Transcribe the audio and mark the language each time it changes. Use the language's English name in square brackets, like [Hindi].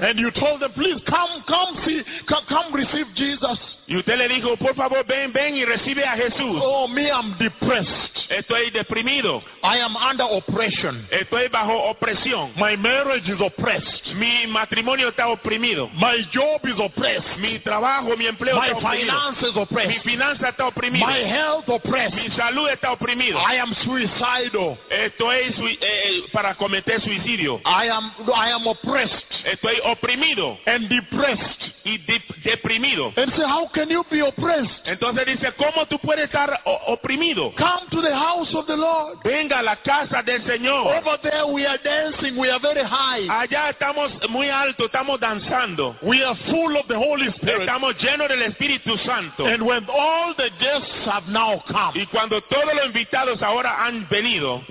[English] And you told them, "Please come receive Jesus." [Spanish] Y usted le dijo, "Por favor, ven y recibe a Jesús." [English] "Oh, me, I'm depressed." [Spanish] Estoy deprimido. [English] "I am under oppression." [Spanish] Estoy bajo opresión. [English] "My marriage is oppressed." [Spanish] Mi matrimonio está oprimido. [English] "My job is oppressed." [Spanish] Mi trabajo, mi empleo está oprimido. [English] "My finances are oppressed." [Spanish] Mi finanza está oprimida. [English] "My health oppressed." [Spanish] Mi salud está oprimida. [English] "I am suicidal." [Spanish] Estoy para cometer suicidio. [English] "I am oppressed." [Spanish] Estoy oprimido. [English] "And depressed." [Spanish] y deprimido. [English] And say, how can you be oppressed? [Spanish] Entonces dice, ¿cómo tú puedes estar oprimido? [English] Come to the house of the Lord. [Spanish] Venga a la casa del Señor. [English] Over there we are dancing, we are very high. [Spanish] Allá estamos muy alto, estamos danzando. [English] We are full of the Holy Spirit. [Spanish] Estamos llenos del Espíritu Santo. [English] And when all the guests have now come. [Spanish] Y cuando todos los invitados ahora han venido.